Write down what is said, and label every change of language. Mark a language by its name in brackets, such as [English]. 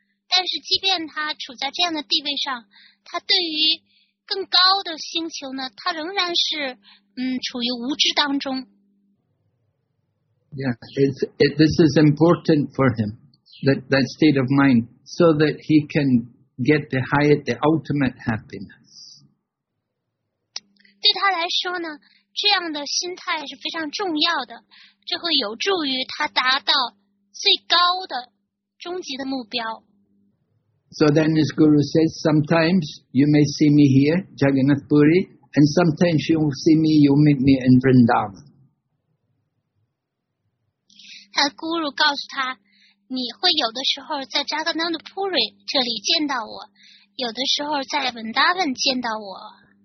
[Chinese] 但是即便他处在这样的地位上，他对于更高的星球呢，它仍然是处于无知当中。 [English] Yeah, this is important for him, that state of mind, so that he can get the ultimate happiness. [Chinese] 对他来说呢，这样的心态是非常重要的，这会有助于他达到最高的终极的目标。 [English] So then his guru says, sometimes you may see me here, Jagannath Puri, and sometimes you'll see me, you'll meet me in Vrindavan. [Chinese] 他的guru 告诉他，你会有的时候在 Jagannath Puri 这里见到我，有的时候在 Vrindavan 见到我。